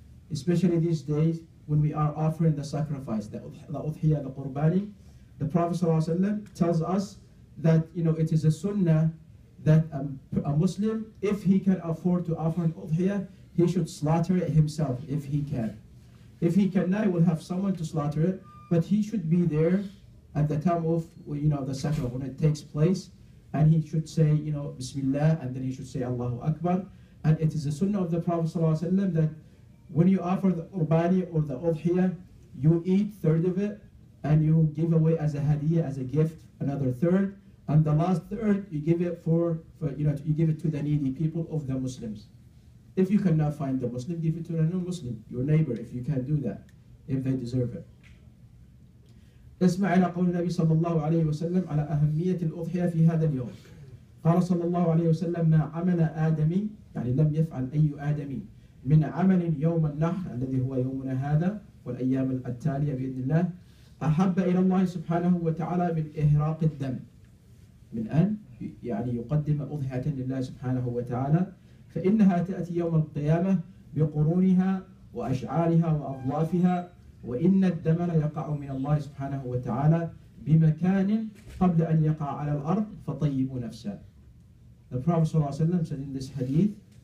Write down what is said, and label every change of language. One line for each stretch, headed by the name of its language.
English: especially these days when we are offering the sacrifice the udhiyah, the qurbani the Prophet صلى الله عليه وسلم tells us that you know it is a sunnah that a Muslim, if he can afford to offer an udhiyah, he should slaughter it himself, if he can. If he cannot, he will have someone to slaughter it, but he should be there at the time of, you know, the sacrifice when it takes place, and he should say, you know, Bismillah, and then he should say Allahu Akbar. And it is the sunnah of the Prophet ﷺ that when you offer the urbani or the udhiyah, you eat a third of it, and you give away as a hadiyah, as a gift, another third, and the last third, you give it to the needy people of the Muslims. If you cannot find the Muslim, give it to a non-Muslim, your neighbor, if you can do that, if they deserve it.
Arabic: اسمع إلى قول النبي صلى الله عليه وسلم على أهمية الأضحية في هذا اليوم. قال صلى الله عليه وسلم ما عمل آدمي يعني لم يفعل أي آدمي من عمل يوم النحر الذي هو يومنا هذا والأيام التالية بإذن الله أحب إلى الله سبحانه وتعالى من إهراق الدم. من أن يعني يقدم أضحية لله سبحانه وتعالى فإنها تأتي يوم القيامة بقرونها وأشعارها وأظلافها وإن الدم ليقع من الله سبحانه وتعالى بمكان قبل أن يقع على الأرض فطيبوا نفسا
English: The Prophet صلى الله عليه وسلم said in this hadith